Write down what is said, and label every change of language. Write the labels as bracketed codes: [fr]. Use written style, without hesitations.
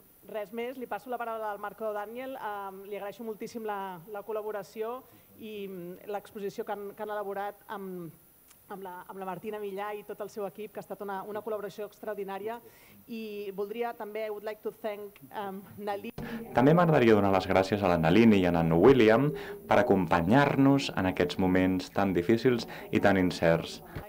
[ca] Res més, li passo la paraula al Marco Daniel. Li agraeixo moltíssim la col·laboració i l'exposició que han elaborat amb la Martina Millà i tot el seu equip, que ha estat una col·laboració extraordinària. I voldria també, [en] I would like to thank Nalini. [ca] També m'agradaria donar les gràcies a la Nalini i a en William per acompanyar-nos en aquests moments tan difícils i tan incerts.